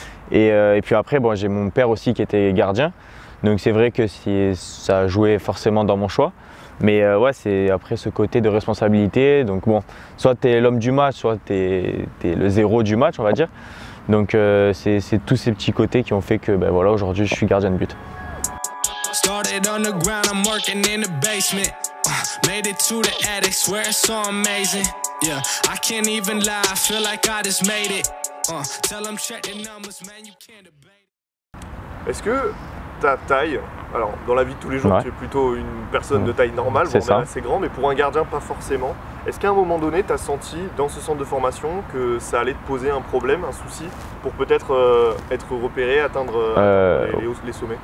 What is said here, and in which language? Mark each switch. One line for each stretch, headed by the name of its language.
French: Et puis après, bon, j'ai mon père aussi qui était gardien, donc c'est vrai que ça jouait forcément dans mon choix. Mais ouais, c'est après ce côté de responsabilité, donc bon, soit tu es l'homme du match, soit tu es le zéro du match, on va dire. Donc c'est tous ces petits côtés qui ont fait que aujourd'hui, je suis gardien de but.
English: Started on the ground, I'm working in the basement. Made it to the attic, swear it's so amazing. Yeah, I can't even lie, I feel like I just made it. Tell them check the numbers, man, you can't debate.
French: Est-ce que ta taille, alors dans la vie de tous les jours, tu es plutôt une personne de taille normale, c'est bon, assez grand, mais pour un gardien, pas forcément. Est-ce qu'à un moment donné, tu as senti dans ce centre de formation que ça allait te poser un problème, un souci, pour peut-être être repéré, atteindre les sommets?